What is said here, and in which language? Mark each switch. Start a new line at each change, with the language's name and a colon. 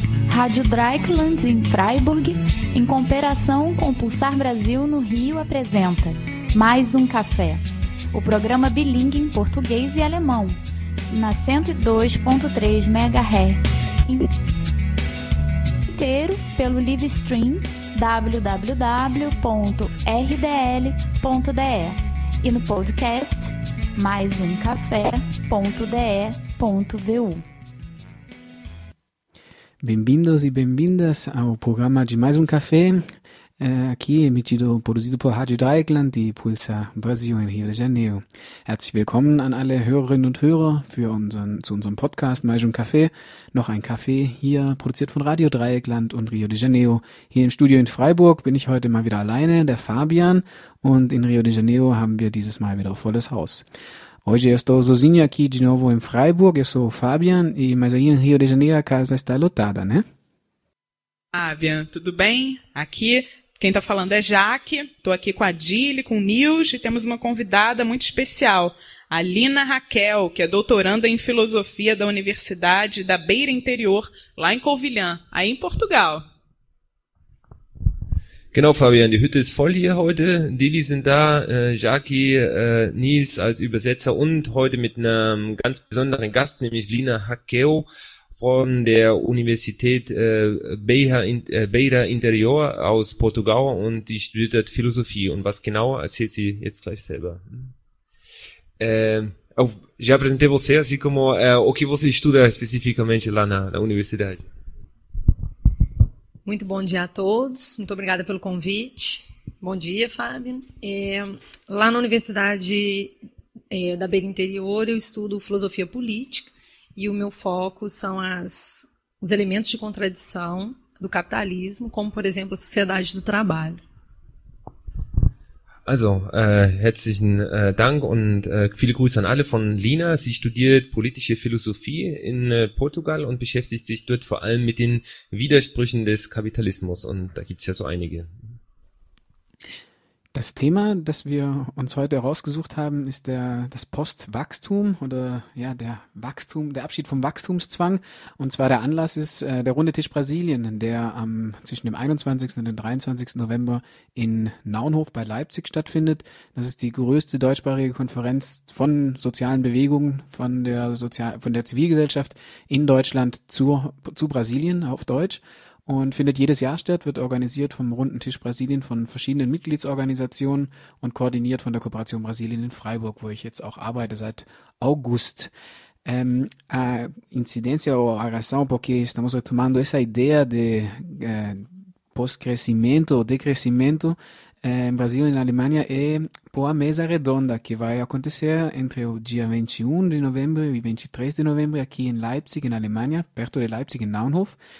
Portuguese: Rádio Dreieckland em Freiburg, em cooperação com o Pulsar Brasil no Rio, apresenta Mais um Café, o programa bilíngue em português e alemão, na 102.3 MHz, inteiro pelo live stream www.rdl.de e no podcast maisumcafé.de.vu. Bem-vindos e bem-vindas ao programa de Mais um Café, aqui emitido, produzido por Rádio Dreieckland e Pulsar Brasil em Rio de Janeiro.
German: Herzlich willkommen an alle Hörerinnen und Hörer zu unserem Podcast Mais um Café. Noch ein Café hier, produziert von Rádio Dreieckland und Rio de Janeiro. Hier im Studio in Freiburg bin ich heute mal wieder alleine, der Fabian, und in Rio de Janeiro haben wir dieses Mal wieder volles Haus.
Portuguese: Hoje eu estou sozinho aqui de novo em Freiburg, eu sou o Fabian, mas aí em Rio de Janeiro a casa está lotada, né? Fabian, tudo bem? Aqui quem está falando é Jaque, estou aqui com a Dili, com o Nils e temos uma convidada muito especial, a Lina Raquel, que é doutoranda em filosofia da Universidade da Beira Interior, lá em Covilhã, aí em Portugal.
German: Genau, Fabian, die Hütte ist voll hier heute. Lili sind da, Jackie, Nils als Übersetzer und heute mit einem ganz besonderen Gast, nämlich Lina Hakeo von der Universität Beira Interior aus Portugal und die studiert Philosophie. Und was genau, erzählt sie jetzt gleich selber.
Portuguese: Já apresentei você, assim como o que você estuda especificamente lá na universidade. Muito bom dia a todos, muito obrigada pelo convite. Bom dia, Fábio. Lá na Universidade da Beira Interior, eu estudo filosofia política e o meu foco são os elementos de contradição do capitalismo, como, por exemplo, a sociedade do trabalho.
German: Also, herzlichen Dank und viele Grüße an alle von Lina. Sie studiert politische Philosophie in Portugal und beschäftigt sich dort vor allem mit den Widersprüchen des Kapitalismus. Und da gibt es ja so einige. Das Thema, das wir uns heute rausgesucht haben, ist das Postwachstum oder ja der Abschied vom Wachstumszwang. Und zwar der Anlass ist der Runde Tisch Brasilien, der zwischen dem 21. und dem 23. November in Naunhof bei Leipzig stattfindet. Das ist die größte deutschsprachige Konferenz von sozialen Bewegungen, von der Zivilgesellschaft in Deutschland zu Brasilien auf Deutsch. Und findet jedes Jahr statt, wird organisiert vom Runden Tisch Brasilien von verschiedenen Mitgliedsorganisationen und koordiniert von der Kooperation Brasilien in Freiburg, wo ich jetzt auch arbeite seit August.
Portuguese: A incidência ou a razão porque estamos retomando essa ideia de pós-crescimento ou decrescimento em Brasil e na Alemanha é por a mesa redonda que vai acontecer entre o dia 21 de novembro e 23 de novembro aqui em Leipzig, na Alemanha, perto de Leipzig, em Naunhof.